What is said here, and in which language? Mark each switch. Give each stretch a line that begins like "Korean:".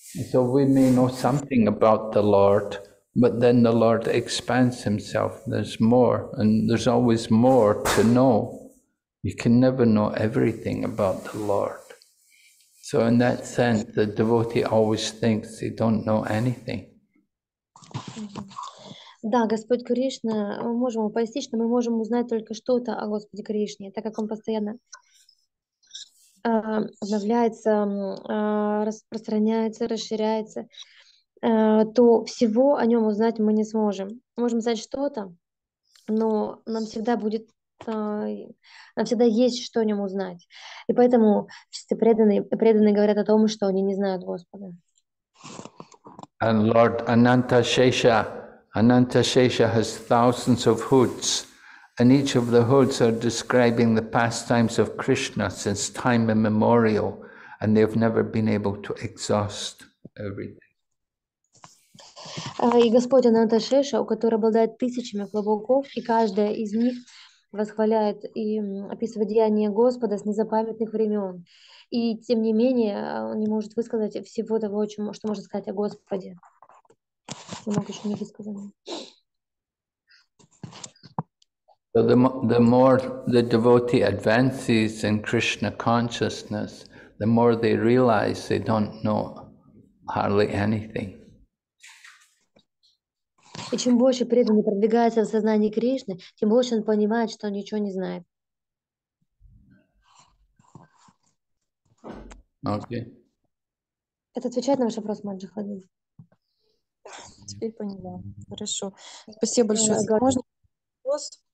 English: So we may know something about the Lord, but then the Lord expands himself. There's more and there's always more to know. You can never know everything about the Lord. So in that sense, the devotee always thinks he don't know anything.
Russian: Да, Господь Кришна, мы можем упастись, но мы можем узнать только что-то о Господе Кришне, так как он постоянно обновляется, распространяется, расширяется, то всего о нем узнать мы не сможем. Мы можем знать что-то, но нам всегда будет нам всегда есть что о нем узнать. И поэтому чистые преданные говорят о том, что они не знают Господа.
English: And Lord Anantashesha has thousands of hoods, and each of the hoods are describing the pastimes of Krishna since time immemorial, and they've never been able to exhaust everything.
Russian: И Господь Ананташеша, у которого обладает тысячами клубоков, и каждая из них восхваляет и описывает деяния Господа с незапамятных времен. И тем не менее, он не может высказать всего того, что можно сказать о Господе. Немного еще не высказано.
English: So the more the devotee advances in Krishna consciousness, the more they realize they don't know hardly anything.
Russian: И чем больше преданный продвигается в сознании Кришны, тем больше он понимает, что он ничего не знает.
English: Okay.
Russian: Это отвечает на ваш вопрос, Маджи Хладин? Теперь поняла. Хорошо. Спасибо большое. Можно вопрос?